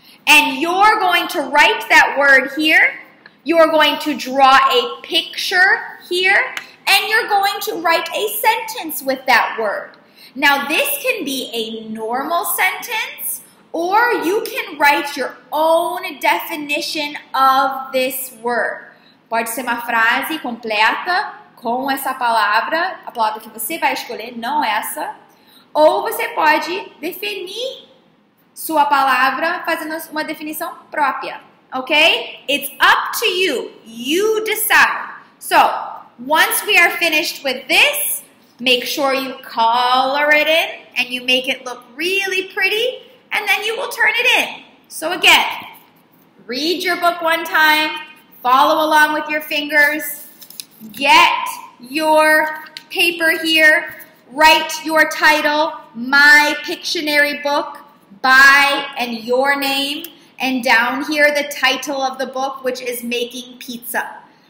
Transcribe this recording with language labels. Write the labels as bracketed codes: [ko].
[en] And you're going to write that word here. You're going to draw a picture here. And you're going to write a sentence with that word. Now, this can be a normal sentence, or you can write your own definition of this word. [pt] Pode ser uma frase completa com essa palavra, a palavra que você vai escolher, não essa. Ou você pode definir sua palavra fazendo uma definição própria, okay? [en] It's up to you. You decide. So, once we are finished with this, make sure you color it in and you make it look really pretty, and then you will turn it in. So again, read your book one time, follow along with your fingers, get your paper here, write your title, My Pictionary Book, by and your name, and down here the title of the book, which is Making Pizza.